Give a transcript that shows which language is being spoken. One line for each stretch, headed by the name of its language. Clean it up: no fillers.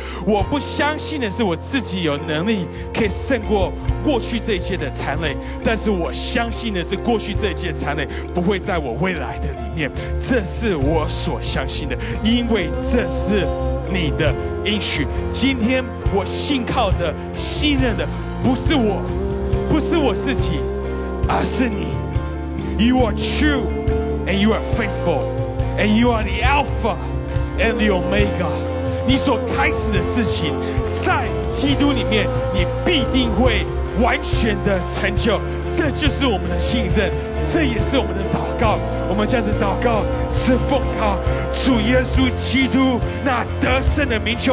Chinese: 我不相信的是我自己有能力可以胜过过去这一切的残累，但是我相信的是过去这一切的残累不会在我未来的里面。这是我所相信的，因为这是你的应许。今天我信靠的信任的不是我，不是我自己，而是你。
English: You are true and you are faithful and you are the Alpha and the Omega。
Chinese: 你所开始的事情在基督里面你必定会完全的成就。这就是我们的信任，这也是我们的祷告。我们这样子祷告是奉靠主耶稣基督那得胜的名求。